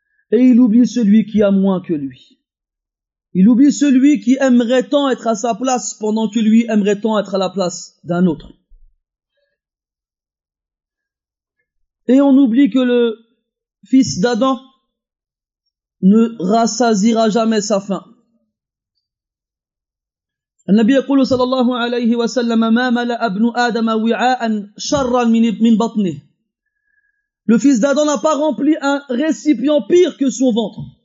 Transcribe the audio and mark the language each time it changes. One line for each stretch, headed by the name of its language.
French: Et il oublie celui qui a moins que lui. Il oublie celui qui aimerait tant être à sa place pendant que lui aimerait tant être à la place d'un autre. Et on oublie que le fils d'Adam ne rassasira jamais sa faim.
Arabic: النبي يقول صلى الله عليه وسلم ما ملأ ابن آدم وعاء شرا من بطنه.
French: Le fils d'Adam n'a pas rempli un récipient pire que son ventre.